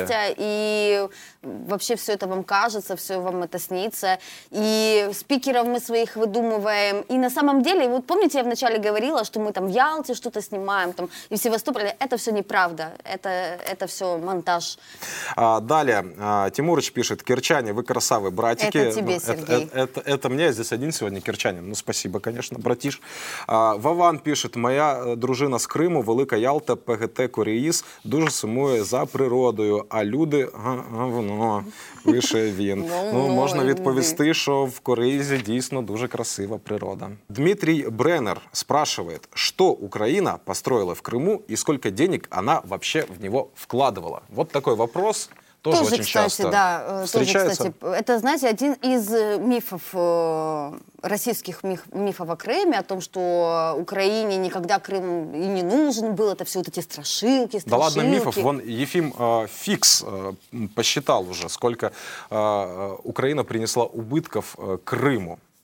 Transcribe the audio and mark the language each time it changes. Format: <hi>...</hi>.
<ru>Настя, и вообще все это вам кажется, все вам это снится, и спикеров мы своих выдумываем, и на самом деле, вот помните, я вначале говорила, что мы там в Ялте что-то снимаем, там, и в Севастополе, это все неправда, это все монтаж. Далее, Тимурыч пишет, керчане, вы красавы, братики. Это тебе, Сергей. Это мне, я здесь один сегодня керчанин, ну спасибо, конечно, братиш.</ru> <uk>Вован пишет, моя дружина с Крыму, Велика Ялта, ПГТ Куреїс, дуже сумую за природою, а люди говно, лише він. Ну, можна відповісти, що в Коризі дійсно дуже красива природа. Дмитрий Бреннер спрашивает, що Україна построила в Криму і скільки денег вона вообще в нього вкладывала?</uk> <ru>Вот такой вопрос. Тоже очень часто. Кстати, да, встречается. Тоже, кстати, это, знаете, один из мифов, российских мифов о Крыме, о том, что Украине никогда Крым и не нужен был, это все вот эти страшилки. Да ладно мифов, вон Ефим Фикс посчитал уже, сколько Украина принесла убытков Крыму.</ru>